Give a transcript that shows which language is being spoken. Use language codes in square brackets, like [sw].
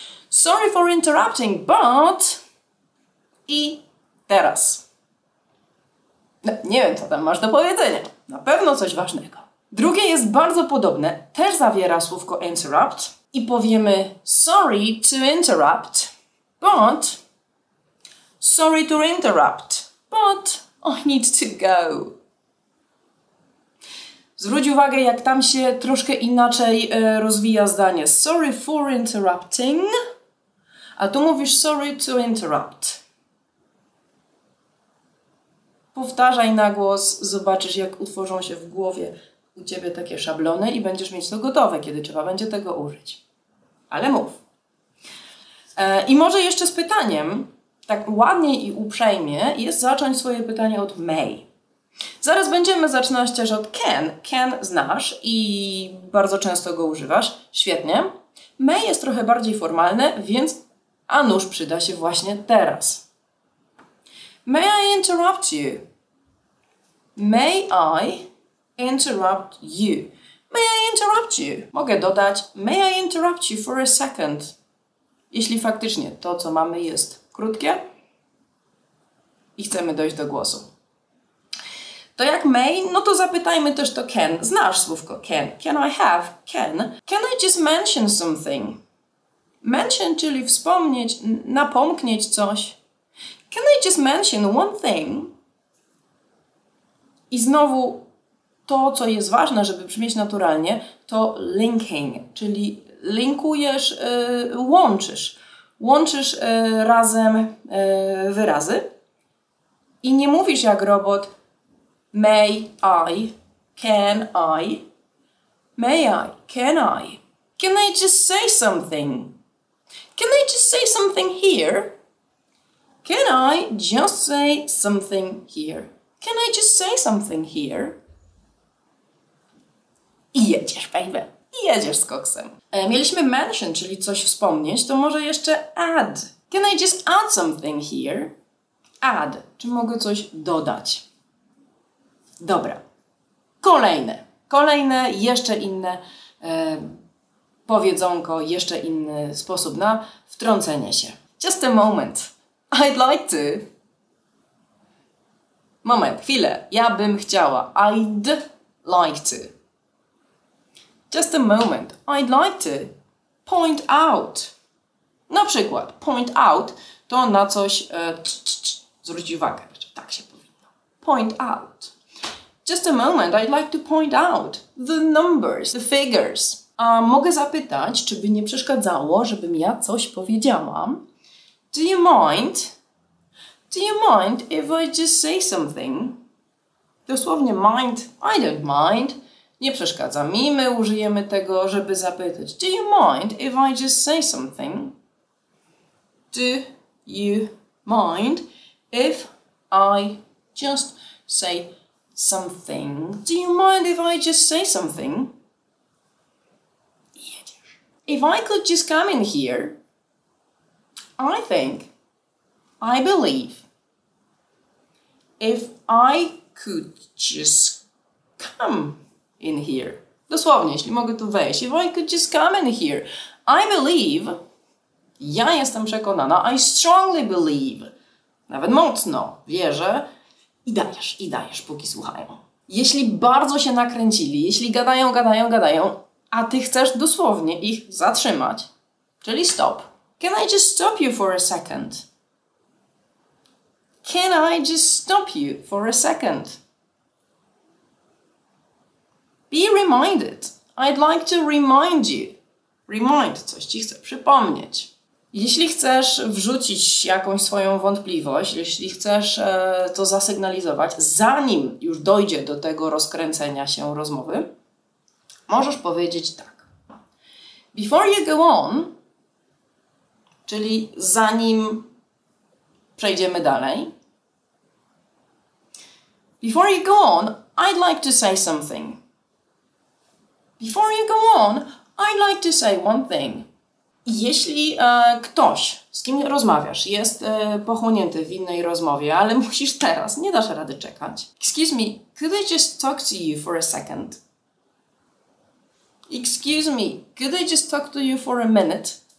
[en] Sorry for interrupting, but... I... [pl] Teraz. No, nie wiem, co tam masz do powiedzenia. Na pewno coś ważnego. Drugie jest bardzo podobne. Też zawiera słówko interrupt. I powiemy [en] sorry to interrupt, but... Sorry to interrupt, but I need to go. [pl] Zwróć uwagę, jak tam się troszkę inaczej rozwija zdanie. [en] Sorry for interrupting. [pl] A tu mówisz [en] sorry to interrupt. [pl] Powtarzaj na głos, zobaczysz, jak utworzą się w głowie u Ciebie takie szablony i będziesz mieć to gotowe, kiedy trzeba będzie tego użyć. Ale mów. I może jeszcze z pytaniem, tak ładnie i uprzejmie, jest zacząć swoje pytanie od may. Zaraz będziemy zaczynać też od can. Can znasz i bardzo często go używasz. Świetnie. May jest trochę bardziej formalne, więc a nuż przyda się właśnie teraz. [en] May I interrupt you? May I interrupt you? May I interrupt you? [pl] Mogę dodać, [en] may I interrupt you for a second? [pl] Jeśli faktycznie to, co mamy, jest krótkie i chcemy dojść do głosu. To jak may, no to zapytajmy też to can. Znasz słówko [en] can. Can I have? Can. Can I just mention something? [pl] Mention, czyli wspomnieć, napomknieć coś. [en] Can I just mention one thing? [pl] I znowu to, co jest ważne, żeby brzmieć naturalnie, to linking, czyli linkujesz, łączysz. Łączysz razem wyrazy i nie mówisz jak robot [en] may I, can I, [pl] may I, can I. [en] Can I just say something? Can I just say something here? Can I just say something here? Can I just say something here? [pl] I jedziesz, baby. I jedziesz z koksem. Mieliśmy mention, czyli coś wspomnieć, to może jeszcze add. [en] Can I just add something here? [pl] Add. Czy mogę coś dodać? Dobra. Kolejne, jeszcze inne powiedzonko, jeszcze inny sposób na wtrącenie się. [en] Just a moment. I'd like to. [pl] Moment, chwilę. Ja bym chciała. [en] I'd like to. Just a moment. I'd like to. Point out. [pl] Na przykład, point out to na coś zwróć uwagę. Tak się powinno. [en] Point out. Just a moment. I'd like to point out the numbers, the figures. [pl] A mogę zapytać, czy by nie przeszkadzało, żebym ja coś powiedziała? [en] Do you mind? Do you mind if I just say something? [pl] Dosłownie mind. [en] I don't mind. [pl] Nie przeszkadza mi. My użyjemy tego, żeby zapytać. [en] Do you mind if I just say something? Do you mind if I just say something? Do you mind if I just say something? If I could just come in here, I think, I believe, if I could just come in here, [pl] Dosłownie, jeśli mogę tu wejść. [en] If I could just come in here. I believe. [pl] Ja jestem przekonana. [en] I strongly believe. [pl] Nawet mocno wierzę. I dajesz, póki słuchają. Jeśli bardzo się nakręcili, jeśli gadają, a ty chcesz dosłownie ich zatrzymać, czyli stop. [en] Can I just stop you for a second? Can I just stop you for a second? Be reminded. I'd like to remind you. [pl] Remind, coś ci chcę przypomnieć. Jeśli chcesz wrzucić jakąś swoją wątpliwość, jeśli chcesz to zasygnalizować, zanim już dojdzie do tego rozkręcenia się rozmowy, możesz powiedzieć tak. [en] Before you go on, [pl] czyli zanim przejdziemy dalej. [en] Before you go on, I'd like to say something. Before you go on, I'd like to say one thing. [pl] Jeśli ktoś, z kim rozmawiasz, jest pochłonięty w innej rozmowie, ale musisz teraz, nie dasz rady czekać. [en] Excuse me, could I just talk to you for a second? Excuse me, could I just talk to you for a minute?